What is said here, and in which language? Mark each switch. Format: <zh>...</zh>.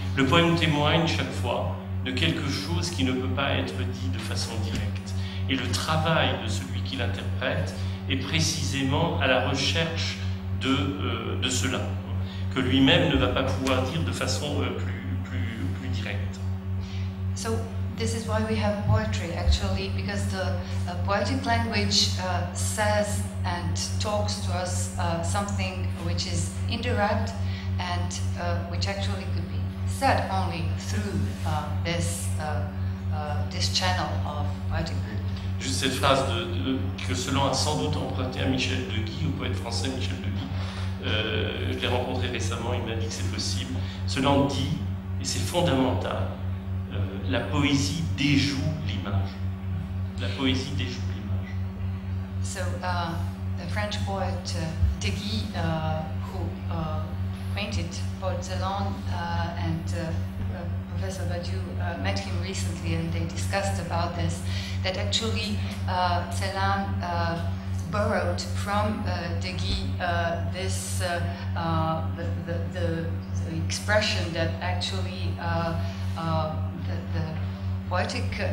<fr>Le poème témoigne chaque fois de quelque chose qui ne peut pas être dit de façon directe. Et le travail de celui qui l'interprète est précisément à la recherche de cela, que lui-même ne va pas pouvoir dire de façon plus directe.</fr> <en>So this is why we have poetry, actually, because the poetic language says and talks to us something which is indirect and which actually could be said only through this channel of poetic.</en> <fr>Juste cette phrase que Celan a sans doute emprunté à Michel Deguy, au poète français Michel Deguy. Je l'ai rencontré récemment, il m'a dit que c'est possible. Celan dit, et c'est fondamental, la poésie déjoue l'image. La poésie déjoue l'image.</fr> <en>So, the French poet Deguy, who painted Paul Celan, and Professor Badiou met him recently, and they discussed about this, that actually Celan borrowed from Deguy this the expression that actually the poetic</en>